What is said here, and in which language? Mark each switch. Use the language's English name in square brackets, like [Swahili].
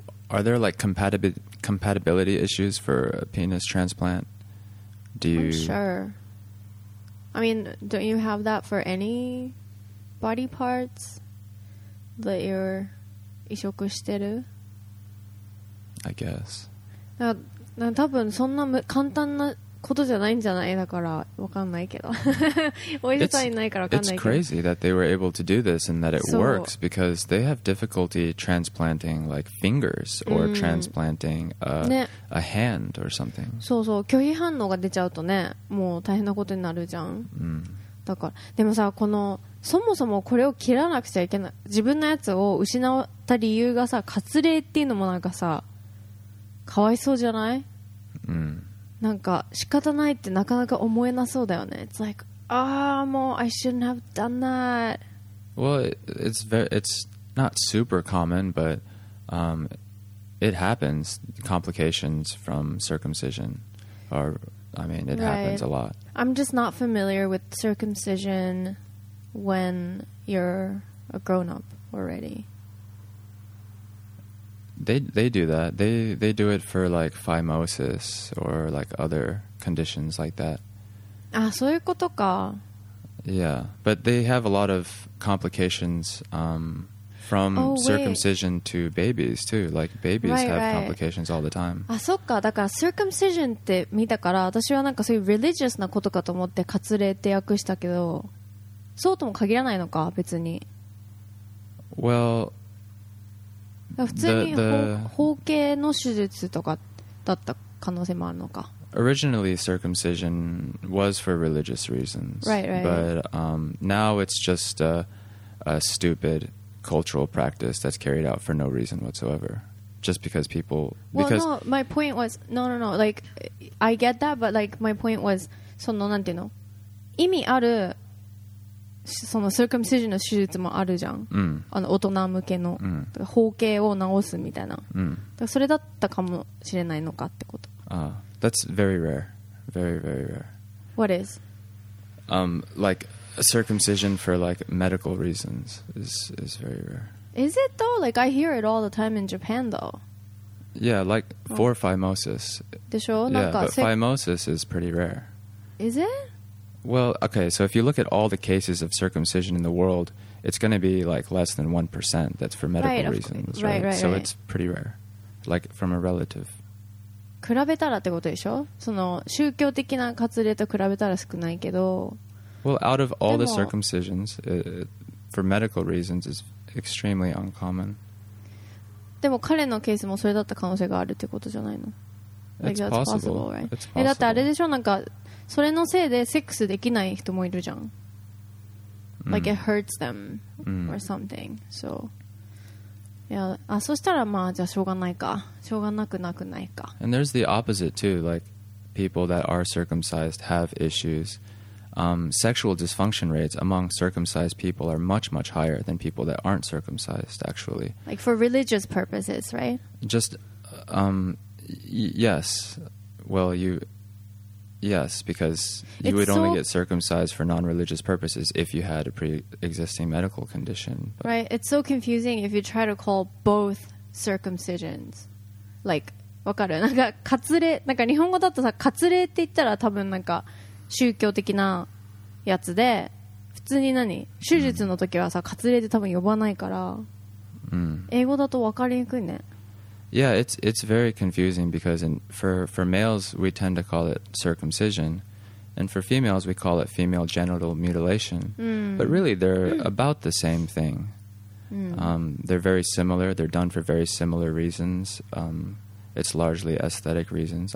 [English] Are there like compatibility issues for a penis transplant? I'm sure. I mean, don't you have that for any body parts that you're [Japanese] 移植してる? [English] I guess. [Japanese] なんか多分そんな簡単なことじゃないんじゃない? だからわかんないけど。お医者さんいないからわかんないけど。 [English] It's crazy that they were able to do this and that it works, because they have difficulty transplanting like fingers or transplanting a hand or something. [Japanese] そうそう、拒否反応が出ちゃうとね、もう大変なことになるじゃん。だからでもさ、このそもそもこれを切らなくちゃいけない、自分のやつを失った理由がさ、割礼っていうのもなんかさ、かわいそうじゃない? なんか仕方ないってなかなか思えなそうだよね。 [English] It's like, [Japanese] もう [English] I shouldn't have done that. Well, it's not super common, but it happens. Complications from circumcision are, I mean, it happens a lot. I'm just not familiar with circumcision when you're a grown up already. They do that. They do it for like phimosis or like other conditions like that. [Japanese] Ah, そういうことか。 [English] Yeah, but they have a lot of complications from circumcision to babies too. Like babies have complications all the time. [Japanese] あ、そっか。だから circumcision って見たから、私はなんかそういう religious なことかと思って割礼って訳したけど、そうとも限らないのか、別に。 [English] Well, [Japanese] 普通に包茎の手術とかだった可能性もあるのか。 [English] Originally circumcision was for religious reasons. Right. But now it's just a stupid cultural practice that's carried out for no reason whatsoever. Just because people... No, my point was... Like, I get that, but like, my point was... [Japanese] その、なんていうの?意味ある、その circumcision の手術もあるじゃん、うん、あの大人向けの包茎、うん、を治すみたいな、うん、だからそれだったかもしれないのかってこと。 [English] That's very rare. Very, very rare. What is? Like circumcision for like medical reasons is very rare. Is it though? Like I hear it all the time in Japan though. Yeah, like for phimosis. [Japanese] でしょ? [English] Yeah, [Japanese] なんか [English] but phimosis is pretty rare. Is it? Well, okay, so if you look at all the cases of circumcision in the world, it's going to be like less than 1%. That's for medical reasons, right? Right. It's pretty rare, like from a relative. [Japanese] 比べたらってことでしょ?その宗教的な割礼と比べたら少ないけど。 [English] Well, out of all the circumcisions, for medical reasons, it's extremely uncommon. [Japanese] でも彼のケースもそれだった可能性があるってことじゃないの? [English] Like, that's possible, right? It's possible. [Japanese] だってあれでしょ? なんか…それのせいでセックスできない人もいるじゃん。 [English] Mm. Like it hurts them or something. Mm. So, yeah. [Japanese] あ、そしたらまあじゃあしょうがないか。しょうがなくなくないか。 [English] And there's the opposite too. Like people that are circumcised have issues. Sexual dysfunction rates among circumcised people are much, much higher than people that aren't circumcised actually. Like for religious purposes, right? Just, yes. Well, you... Yes, because you would only get circumcised for non-religious purposes if you had a pre-existing medical condition. But right, it's so confusing if you try to call both circumcisions. [Japanese] Like, わかる?なんか、割礼、なんか日本語だとさ、割礼って言ったら多分なんか宗教的なやつで、普通に何? 手術の時はさ、割礼って多分呼ばないから、英語だとわかりにくいね。 [English] Yeah, it's very confusing because for males, we tend to call it circumcision. And for females, we call it female genital mutilation. But really, they're about the same thing. They're very similar. They're done for very similar reasons. It's largely aesthetic reasons.